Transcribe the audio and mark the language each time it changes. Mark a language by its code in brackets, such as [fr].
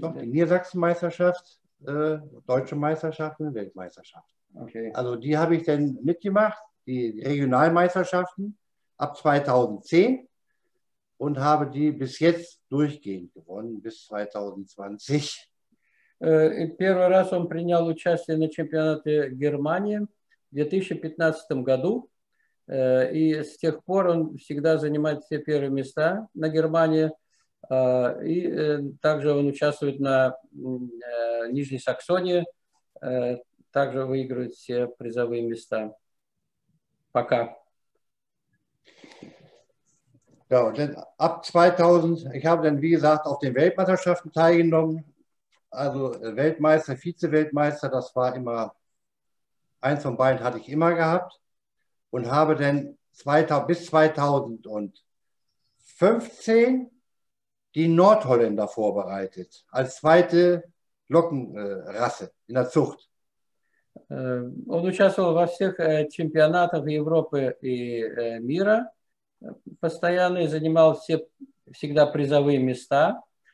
[de] Doch, die Niedersachsen-Meisterschaft, deutsche Meisterschaften, Weltmeisterschaft. Okay. Also die habe ich dann mitgemacht, die Regionalmeisterschaften ab 2010. Und habe die bis jetzt durchgehend gewonnen, bis 2020. [ru] Первый раз он принял участие на чемпионате Германии в 2015 году. И с тех пор он всегда занимает все первые места на Германии. И также он участвует на Нижней Саксонии. Также выигрывает все призовые места. Пока. [de] Ja, und dann ab 2000, ich habe dann, wie gesagt, auf den Weltmeisterschaften teilgenommen. Also Weltmeister, Vize-Weltmeister, das war immer, eins von beiden hatte ich immer gehabt. Und habe dann bis 2015 die Nordholländer vorbereitet, als zweite Lockenrasse in der Zucht. [ru] Он участвовал во всех чемпионатах Европы и мира. Постоянно занимал всегда призовые места.